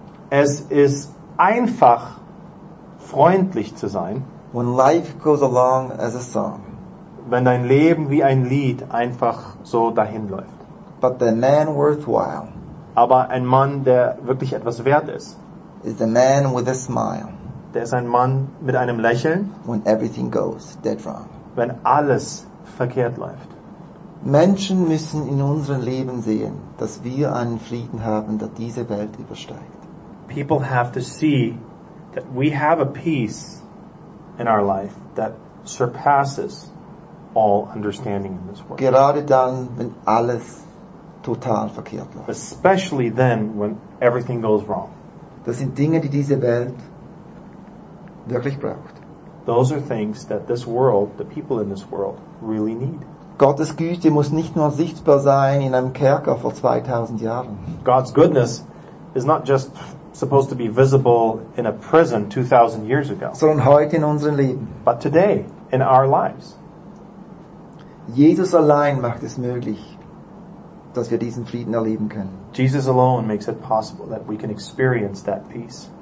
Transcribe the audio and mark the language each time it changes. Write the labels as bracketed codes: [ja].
[de] Es ist einfach, freundlich zu sein. [en] When life goes along as a song. [de] Wenn dein Leben wie ein Lied einfach so dahinläuft. [en] But the man worthwhile. [de] Aber ein Mann, der wirklich etwas wert ist. [en] Is the man with a smile. [de] Der ist ein Mann mit einem Lächeln. [en] When everything goes dead wrong. [de] Wenn alles verkehrt läuft. Menschen müssen in unserem Leben sehen, dass wir einen Frieden haben, der diese Welt übersteigt. [en] People have to see that we have a peace in our life that surpasses all understanding in this world. [de] Gerade dann, wenn alles total verkehrt läuft. [en] Especially then when everything goes wrong. [de] Das sind Dinge, die diese Welt wirklich braucht. [en] Those are things that this world, the people in this world, really need. [de] Gottes Güte muss nicht nur sichtbar sein in einem Kerker vor 2000 Jahren. [en] God's goodness is not just supposed to be visible in a prison 2000 years ago. [de] Sondern heute in unserem Leben. [en] But today, in our lives. [de] Jesus allein macht es möglich, dass wir diesen Frieden erleben können. [en] Jesus alone makes it possible that we can experience that peace.